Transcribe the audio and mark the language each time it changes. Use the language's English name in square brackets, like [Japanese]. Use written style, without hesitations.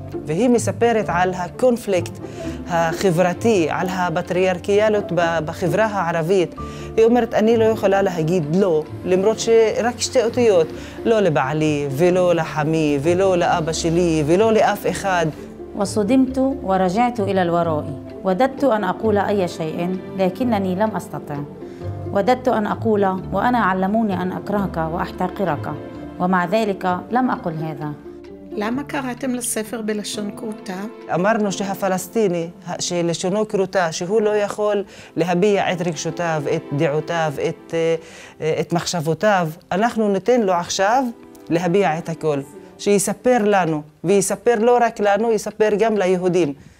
[Hebrew] והיא מספרת על הקונפליקט החברתי, על הפטריארכיאליות בחברה הערבית. היא אומרת, אני לא יכולה להגיד לא, למרות שרק שתי אותיות, לא לבעלי ולא לחמי ולא לאבא שלי ולא לאף אחד. [Arabic] وصدمت ورجعت الى الوراء وددت ان اقول اي شيء لكنني لم استطع وددت ان اقول وانا علموني ان اكرهك واحتقرك ومع ذلك لم اقل هذا. [Hebrew] למה קראתם לספר בלשון קרוטה? אמרנו שהפלסטיני, שלשונו קרוטה, שהוא לא יכול להביע את רגשותיו, את דעותיו, את מחשבותיו, אנחנו ניתן לו עכשיו להביע את הכל. שיספר לנו, ויספר לא רק לנו, יספר גם ליהודים.